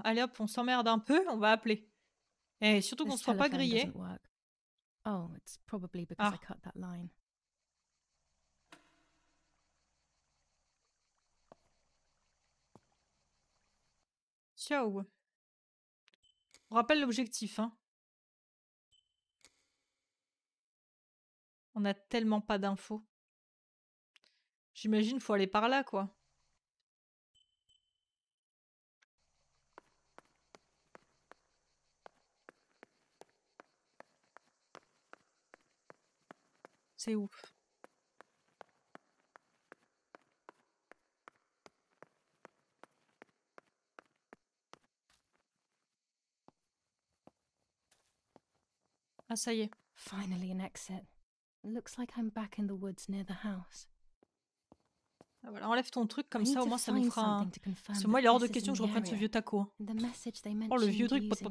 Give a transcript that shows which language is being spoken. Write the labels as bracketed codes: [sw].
[fr] Allez hop, on s'emmerde un peu, on va appeler. Et surtout qu'on se fera pas griller. [en] Oh, it's probably because I cut that line. [fr] Ciao. On rappelle l'objectif, hein. On a tellement pas d'infos. J'imagine faut aller par là, quoi. C'est ouf. Ah, ça y est. [en] Finally an exit. Looks like I'm back in the woods near the house. [fr] Ah, voilà, enlève ton truc comme ça au moins ça nous fera. C'est moi il est hors de question que je reprenne ce vieux taco. Hein. Oh le vieux truc.